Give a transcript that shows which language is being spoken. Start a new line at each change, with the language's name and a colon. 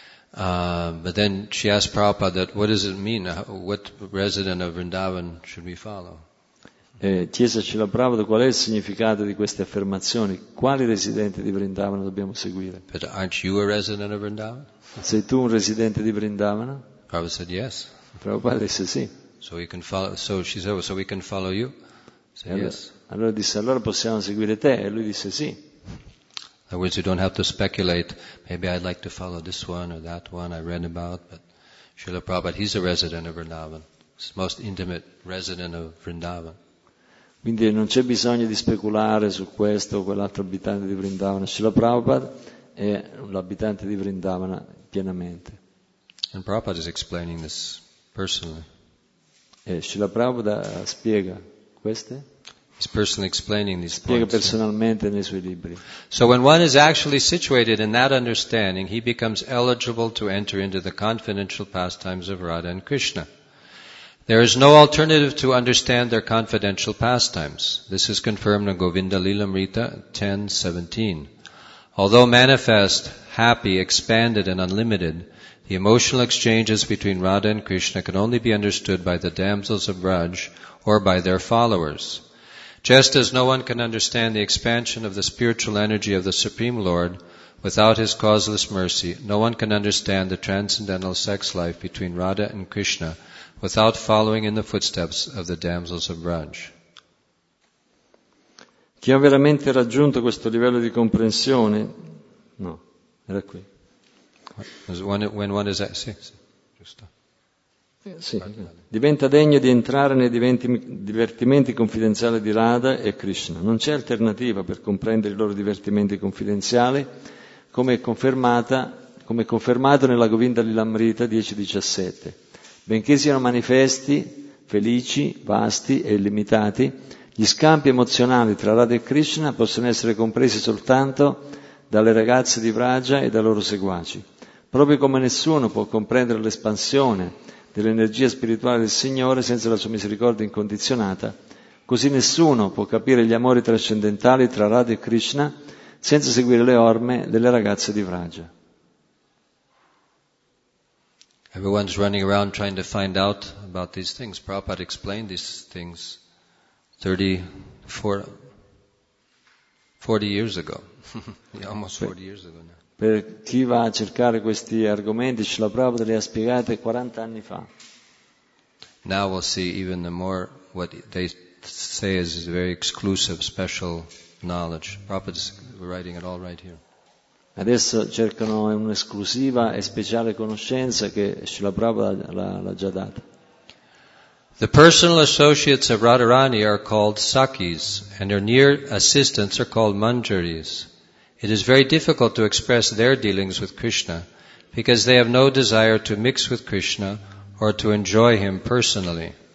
English: But then she asked Prabhupada that what does it mean? What resident of Vrindavan should we follow?
Italian: Chiese a Srila Prabhupada qual è il significato di queste affermazioni. Quali residente di Vrindavan dobbiamo seguire?
English: But aren't you a resident of Vrindavan?
Italian: Sei tu un residente di Vrindavana?
English: Prabhupada said yes.
Italian: Prabhupada disse sì.
English: So we can follow. So she said, so we can follow you. Say yes.
Italian: Allora disse, allora possiamo seguire te. E lui disse sì.
English: In other words, you don't have to speculate. Maybe I'd like to follow this one or that one I read about. But Srila Prabhupada, he's a resident of Vrindavan. He's the most intimate resident of Vrindavan.
Italian: Quindi non c'è bisogno di speculare su questo o quell'altro abitante di Vrindavan. Srila Prabhupada è l'abitante di Vrindavan pienamente.
English: And Prabhupada is explaining this personally.
Italian: E Srila Prabhupada spiega queste.
English: He's personally explaining these
Italian: spiega
English: points.
Italian: Personalmente nei suoi libri.
English: So when one is actually situated in that understanding, he becomes eligible to enter into the confidential pastimes of Radha and Krishna. There is no alternative to understand their confidential pastimes. This is confirmed in Govinda Lilamrita 10.17. Although manifest, happy, expanded and unlimited, the emotional exchanges between Radha and Krishna can only be understood by the damsels of Raj or by their followers. Just as no one can understand the expansion of the spiritual energy of the Supreme Lord without His causeless mercy, no one can understand the transcendental sex life between Radha and Krishna without following in the footsteps of the damsels of Raj.
Italian: Chi ha veramente raggiunto questo livello di comprensione? No, era qui.
English: When one is at,
Italian: sì, sì, giusto. Sì. Diventa degno di entrare nei divertimenti confidenziali di Radha e Krishna. Non c'è alternativa per comprendere i loro divertimenti confidenziali, come è confermato nella Govinda Lilamrita 10.17. Benché siano manifesti, felici, vasti e illimitati, gli scambi emozionali tra Radha e Krishna possono essere compresi soltanto dalle ragazze di Vraja e dai loro seguaci. Proprio come nessuno può comprendere l'espansione dell'energia spirituale del Signore senza la sua misericordia incondizionata, così nessuno può capire gli amori trascendentali tra Radha e Krishna senza seguire le orme delle ragazze di Vraja.
English: Everyone's running around trying to find out about these things. Prabhupada explained these things 40 years ago. Almost 40 years ago now.
Italian: Per chi va a cercare questi argomenti, Srila Prabhupada li ha spiegati 40 anni fa.
English: Now we'll see even the more what they say is very exclusive, special knowledge. Prabhupada is writing it all right here.
Italian: Adesso cercano un'esclusiva e speciale conoscenza che Srila Prabhupada l'ha già data.
English: The personal associates of Radharani are called Sakis and their near assistants are called Manjaris. It is very difficult to express their dealings with Krishna because they have no desire to mix with Krishna or to enjoy Him personally.